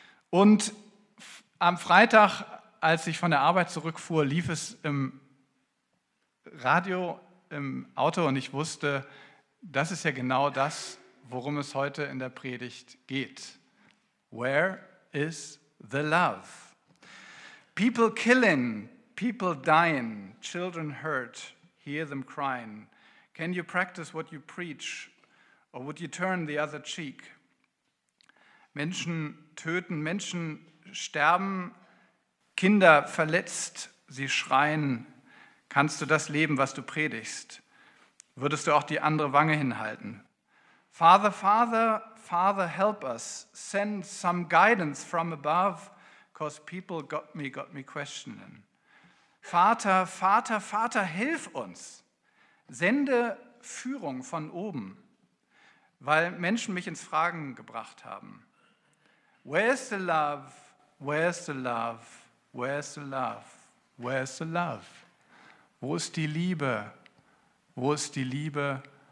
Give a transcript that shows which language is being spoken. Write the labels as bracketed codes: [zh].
[de] Und am Freitag, als ich von der Arbeit zurückfuhr, lief es im Radio, im Auto und ich wusste, das ist ja genau das, worum es heute in der Predigt geht. [en] Where is the love? People killing, people dying, children hurt, hear them crying. Can you practice what you preach? Or would you turn the other cheek? [de] Menschen töten, Menschen sterben, Kinder verletzt, sie schreien. Kannst du das leben, was du predigst? Würdest du auch die andere Wange hinhalten? [en] Father, Father, Father, help us. Send some guidance from above, cause people got me questioning. [de] Vater, Vater, Vater, hilf uns. Sende Führung von oben, weil Menschen mich ins Fragen gebracht haben. [en] Where's the love? Where's the love? Where's the love? Where's the love? [de] Wo ist die Liebe? Wo ist die Liebe?